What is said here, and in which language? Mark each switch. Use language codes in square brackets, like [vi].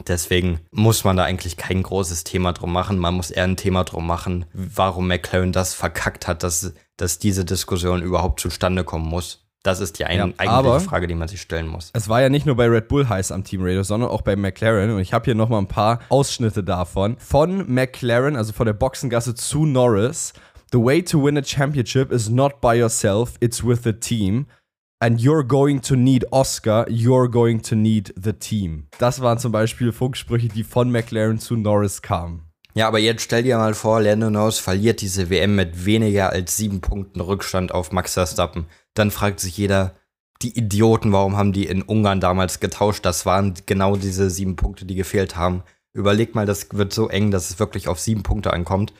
[de] Deswegen muss man da eigentlich kein großes Thema drum machen. Man muss eher ein Thema drum machen, warum McLaren das verkackt hat, dass diese Diskussion überhaupt zustande kommen muss. Das ist die eigentliche Frage, die man sich stellen muss. Es war ja nicht nur bei Red Bull heiß am Team Radio, sondern auch bei McLaren. Und ich habe hier nochmal ein paar Ausschnitte davon. Von McLaren, also von der Boxengasse zu Norris. [en] The way to win a championship is not by yourself, it's with the team. And you're going to need Oscar, you're going to need the team. [de] Das waren zum Beispiel Funksprüche, die von McLaren zu Norris kamen. Ja, aber jetzt stell dir mal vor, Lando Norris verliert diese WM mit weniger als 7 Punkten Rückstand auf Max Verstappen. Dann fragt sich jeder, die Idioten, warum haben die in Ungarn damals getauscht? Das waren genau diese 7 Punkte, die gefehlt haben. Überleg mal, das wird so eng, dass es wirklich auf 7 Punkte ankommt.